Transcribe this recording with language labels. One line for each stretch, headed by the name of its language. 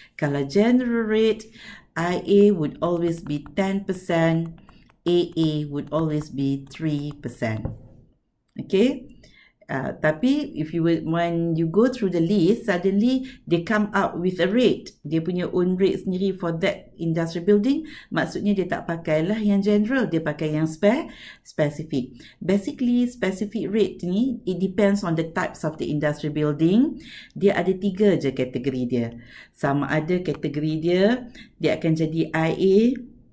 Malay: Kalau
English: general rate, IA would always be 10%. AA would always be 3%. Okay?
Malay: Tapi
English: if you will, when you go through the list, suddenly they come up with a rate.
Malay: Dia punya
English: own rate
Malay: sendiri
English: for that industry building.
Malay: Maksudnya dia tak pakailah yang general. Dia pakai yang specific.
English: Basically, specific rate ni, it depends on the types of the industry building.
Malay: Dia ada tiga je kategori dia. Sama ada kategori dia, dia akan jadi IA.